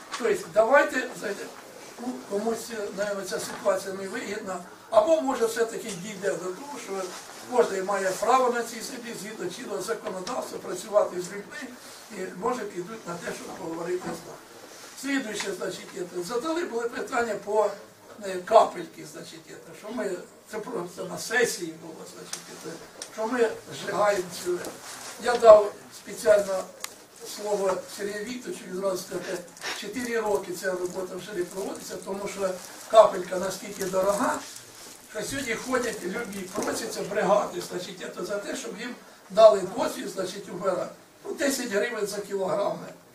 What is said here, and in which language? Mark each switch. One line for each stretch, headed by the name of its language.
Ukrainian: Тобто давайте зайдемо. Ну, комусь, наверное, ця ситуація не вигідна. Або може все-таки дійде до того, що кожен має право на цій землі, згідно чинного законодавства, працювати з людьми, і може підуть на те, щоб поговорити з нами. Слідуюче, значить, задали були питання по
Russian: капельки, значит, это, что мы, это просто на сессии было, значит, это, что мы сжигаем все.
Ukrainian: Я дав спеціально слово Сергію Вікторовичу, він зразу сказав, 4 роки ця робота вже не проводиться, тому що капелька настільки дорога, що сьогодні ходять, люди просяться бригади, значить, це за те, щоб їм дали досвід, значить, убира, ну, 10 гривень за кілограми.